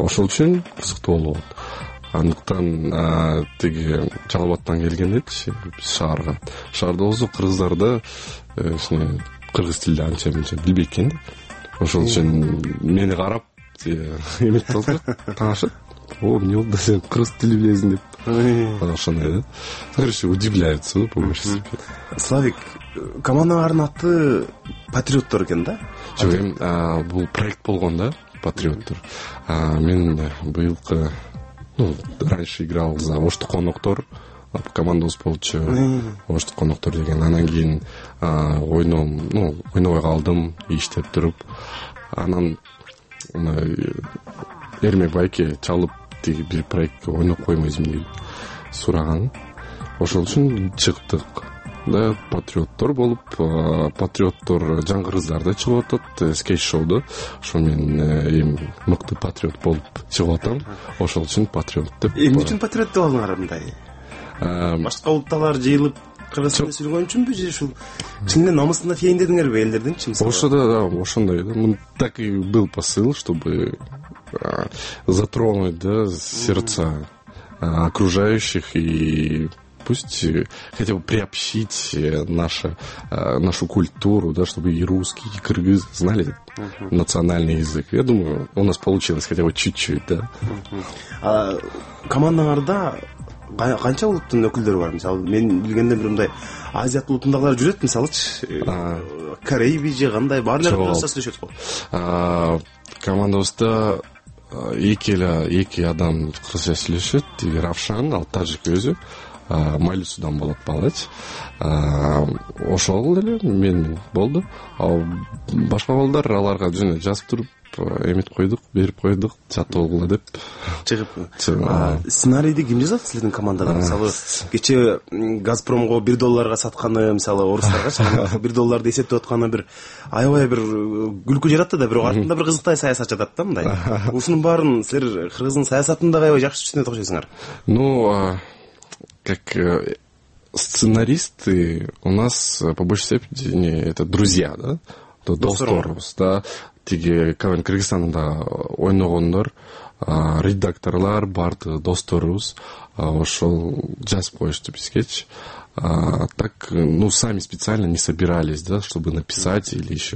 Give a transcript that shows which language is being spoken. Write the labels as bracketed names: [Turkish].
[Kyrgyz] Ошол үчүн кызыктуу болот. Андыктан тиги Жалал-Абаддан келгендечи биз шаарга. Шаарда болсо кыргыздарды ушуну кыргыз тилин анча мынча билбейт экен. Ошол үчүн мени карап эмне болду? Таашып. О, [Russian] мне вот даже [Kyrgyz] кыргыз тили билесиң деп. Ошондой, да. [Russian] Короче, удивляются, по большей степени. [Kyrgyz] Славик, команданын аты патриоттор экен да? Жок, бул проект болгон да, патриоттор. Мен быйылкы [Russian] раньше играл за [Kyrgyz] Оштук Коноктор, командабыз болчу. Оштук Коноктор деген. Анан кийин ойном, ойнобой калдым, иштеп туруп. Анан Эрмек Байке чалып тиги бир проектке ойноп коймойсуң деп сураган. Ошол үчүн чыктык. Да, патриоттор болуп, патриоттор жан кыргыздарда чыгып атат скетч шоудо. Ошо мен эми мыкты патриот болуп чыгып атам. Ошол үчүн патриот деп. Эмне үчүн патриот деп алдыңар мындай? Башка улуттар жыйылып кыргыз тилинде сүйлөгөн үчүнбү же ушул чынында намысына тийин дедиңерби элдердинчи? Ошондой, да, ошондой. [Russian] Так и был посыл, чтобы затронуть, да, сердца окружающих и пусть хотя бы приобщить нашу культуру, да, чтобы и русские, и кыргыз знали национальный язык. Я думаю, у нас получилось хотя бы чуть-чуть, да. [Kyrgyz] Командаларда канча улуттун өкүлдөрү бар? Мисалы, мен билгенде бир мындай Азия улутундагылар жүрөт, мисалычы, Корейби же кандай, баарылар кыргызча сүйлөшөт го. Командабызда эки адам кыргызча сүйлөшөт. Равшан, ал тажик өзү, Майлысудан болот балач. Ошол эле мен болду. Ал башка балдар аларга жөн жазып туруп, эмит койдук, берип койдук, жатып алгыла деп. Чыгып. Сценарийди ким жазат силердин командага? Мисалы, кечээ Газпромго 1 долларга сатканы, мисалы, орустарга 1 долларды эсептеп атканы бир аябай бир күлкү жаратты да, бирок артында бир кызыктай саясат жатат да мындай. Усунун баарын силер кыргыздын саясатын да аябай жакшы түшүнөт окшойсуңар. [Russian] Ну, как сценаристы у нас по большей степени это друзья, да? [Kyrgyz] Досторубуз, да. Тиги КВН Кыргызстанда ойногондор, редакторлар бардыгы досторубуз. Ошол жазып коюшту бизгечи. [Russian] Так, ну, сами специально не собирались, да, чтобы написать или еще.